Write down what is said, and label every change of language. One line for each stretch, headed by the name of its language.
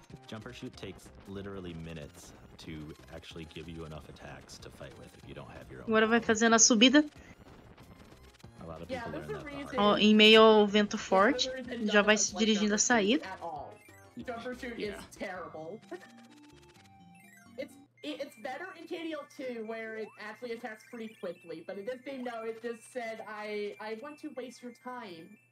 English: Jumper shoot takes literally minutes to actually give you enough attacks to fight with if you don't have your own.
Portuguese: Agora vai fazendo a subida.
English: A lot of people learn that.
Portuguese: Oh, em meio ao vento forte, já vai se dirigindo à saída.
English: Jumper shoot is terrible. It's better in KDL 2 where it actually attacks pretty quickly, but in this game, no, it just said I want to waste your time.